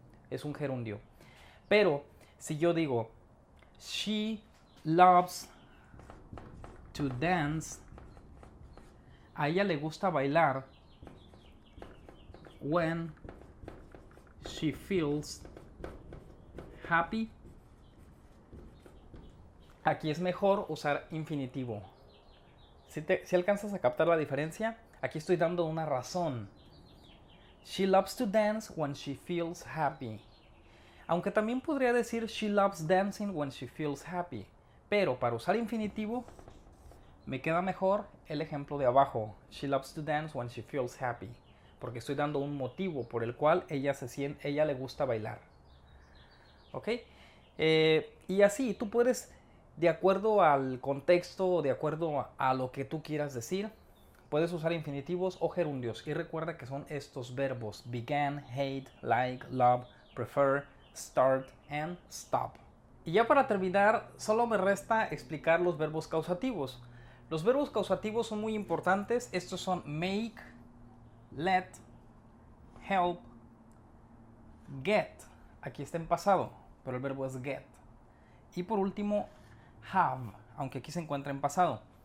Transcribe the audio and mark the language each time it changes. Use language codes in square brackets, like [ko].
[es] Es un gerundio. Pero si yo digo [en] she loves to dance, [es] a ella le gusta bailar [en] when she feels happy. [es] Aquí es mejor usar infinitivo. si alcanzas a captar la diferencia, aquí estoy dando una razón. [en] She loves to dance when she feels happy. [es] Aunque también podría decir [en] she loves dancing when she feels happy. [es] Pero para usar infinitivo, me queda mejor el ejemplo de abajo. [en] She loves to dance when she feels happy. [es] Porque estoy dando un motivo por el cual ella se siente, ella le gusta bailar. ¿Ok? Y así, tú puedes, de acuerdo al contexto, de acuerdo a lo que tú quieras decir, puedes usar infinitivos o gerundios. Y recuerda que son estos verbos. [en] Began, hate, like, love, prefer, start and stop. [es] Y ya para terminar, solo me resta explicar los verbos causativos. Los verbos causativos son muy importantes. Estos son make, let, help, get. Aquí está en pasado, pero el verbo es get. Y por último, have, aunque aquí se encuentra en pasado.